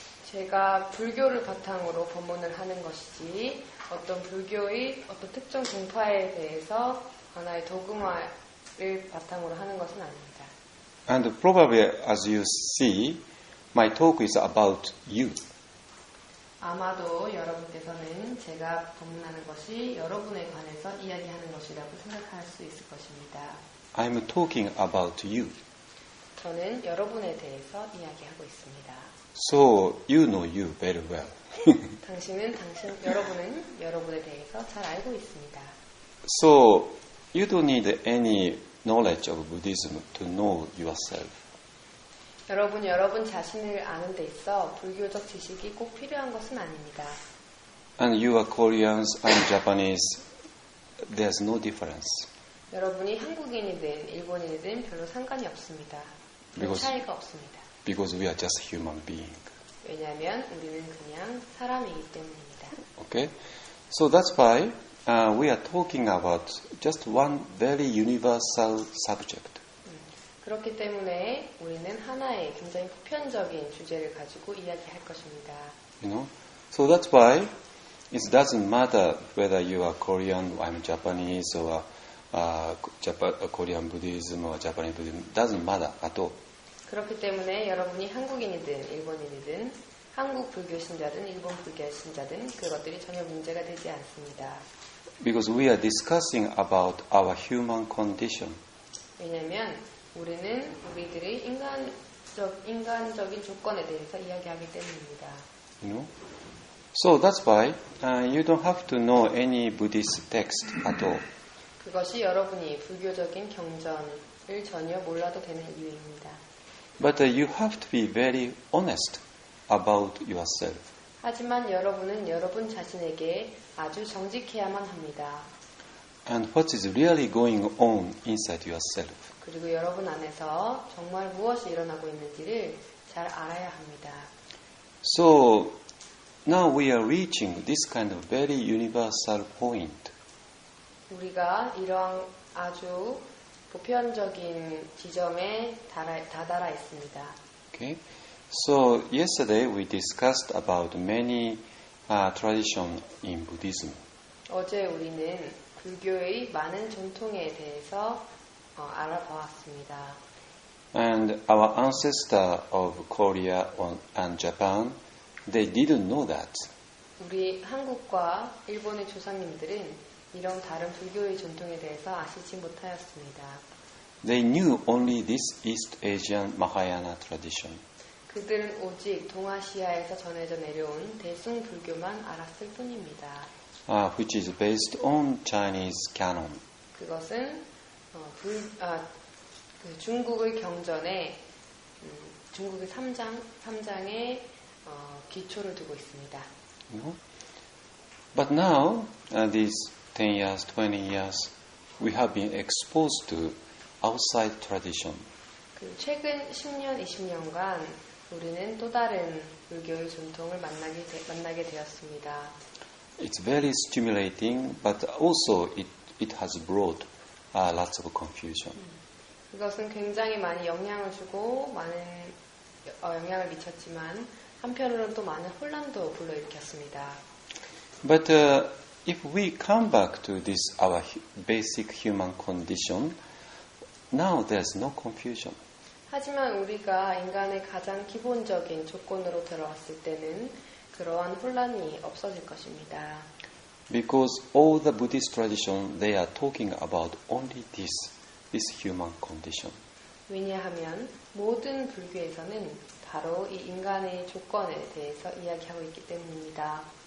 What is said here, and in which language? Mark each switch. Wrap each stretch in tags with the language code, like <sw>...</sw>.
<ko>제가 불교를 바탕으로 법문을 하는 것이지 어떤 불교의 어떤 특정 종파에 대해서 하나의 도그마를 바탕으로 하는 것은 아닙니다.</ko> <en>And probably as you see, my talk is about you.</en> <ko>아마도 여러분께서는 제가 법문하는 것이 여러분에 관해서 이야기하는 것이라고 생각할 수 있을 것입니다.</ko> <en>I'm talking about you.</en> <ko>저는 여러분에 대해서 이야기하고 있습니다.</ko> <en>So you know you very well.</en> <ko>당신은 여러분은 여러분에 대해서 잘 알고 있습니다.</ko> <en>So you don't need any knowledge of Buddhism to know yourself.</en> <ko>여러분 여러분 자신을 아는 데 있어 불교적 지식이 꼭 필요한 것은 아닙니다.</ko> <en>And you are Koreans and Japanese. There's no difference.</en> <ko>여러분이 한국인이든 일본인이든 별로 상관이 없습니다. 차이가 없습니다.</ko> <en>Because we are just human being.</en> <ko>왜냐하면 우리는 그냥 사람이기 때문입니다.</ko> <en>Okay, so that's why we are talking about just one very universal subject.</en> <ko>그렇기 때문에 우리는 하나의 굉장히 보편적인 주제를 가지고 이야기할 것입니다.</ko> <en>You know, so that's why it doesn't matter whether you are Korean or I'm Japanese or Korean Buddhism or Japanese Buddhism. Doesn't matter at all.</en> <ko>그렇기 때문에 여러분이 한국인이든 일본인이든 한국 불교 신자든 일본 불교 신자든 그것들이 전혀 문제가 되지 않습니다.</ko> <en>Because we are discussing about our human condition.</en> <ko>왜냐하면 우리는 우리들의 인간적인 조건에 대해서 이야기하기 때문입니다.</ko> <en>You know? So that's why you don't have to know any Buddhist text at all.</en> <ko>그것이 여러분이 불교적인 경전을 전혀 몰라도 되는 이유입니다.</ko> <en>But you have to be very honest about yourself.</en> <ko>하지만 여러분은 여러분 자신에게 아주 정직해야만 합니다.</ko> <en>And what is really going on inside yourself?</en> <ko>그리고 여러분 안에서 정말 무엇이 일어나고 있는지를 잘 알아야 합니다.</ko> <en>So now we are reaching this kind of very universal point.</en> <ko>우리가 이러한 아주 보편적인 지점에 다다라 있습니다.</ko> <en>Okay. So yesterday we discussed about many tradition in Buddhism.</en> <ko>어제 우리는 불교의 많은 전통에 대해서 알아보았습니다.</ko> <en>And our ancestors of Korea and Japan, they didn't know that.</en> <ko>우리 한국과 일본의 조상님들은 이런 다른 불교의 전통에 대해서 아시지 못하였습니다.</ko> <en>They knew only this East Asian Mahayana tradition.</en> <ko>그들은 오직 동아시아에서 전해져 내려온 대승 불교만 알았을 뿐입니다.</ko> <en>Which is based on Chinese canon.</en> <ko>그것은 그 중국의 경전에 중국의 3장에 기초를 두고 있습니다.</ko> <en>But now, these 10 years, 20 years, we have been exposed to outside tradition.</en> <ko>최근 10년, 20년간 우리는 또 다른 불교의 전통을 만나게 되었습니다.</ko> <en>It's very stimulating, but also it has brought lots of confusion.</en> <ko>그것은 굉장히 많이 영향을 주고 많은 영향을 미쳤지만 한편으로는 또 많은 혼란도 불러일으켰습니다.</ko> <en>But if we come back to this our basic human condition, now there's no confusion.</en> <ko>하지만 우리가 인간의 가장 기본적인 조건으로 들어왔을 때는 그러한 혼란이 없어질 것입니다.</ko> <en>Because all the Buddhist tradition they are talking about only this human condition.</en> <ko>왜냐하면 모든 불교에서는 바로 이 인간의 조건에 대해서 이야기하고 있기 때문입니다.</ko>